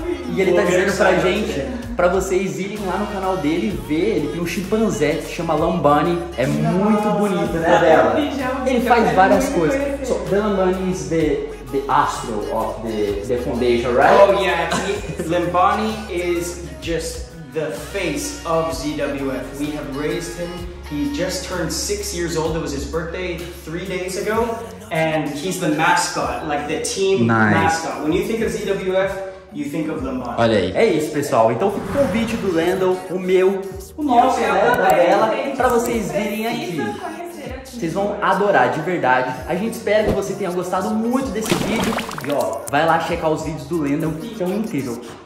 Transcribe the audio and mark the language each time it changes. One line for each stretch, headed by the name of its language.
Portuguese: E ele tá dizendo pra gente, pra vocês irem lá no canal dele e ver, ele tem um chimpanzé que se chama Lumbani. É muito bonito, né, Bela? Ele faz várias coisas.
English: So, Lumbani is the astro of the foundation, right? Oh, yeah. Lumbani is just the face of ZWF. We have raised him. He just turned 6 years old. It was his birthday 3 days ago. And he's the mascot, like the team mascot. When you think of ZWF, you think of Lumbani.
Portuguese: Olha aí. É isso, pessoal. Então fica o convite do Landon, o meu, o nosso, né, da Bela, pra vocês virem aqui. Vocês vão adorar, de verdade. A gente espera que você tenha gostado muito desse vídeo. E ó, vai lá checar os vídeos do Landon, que são incríveis.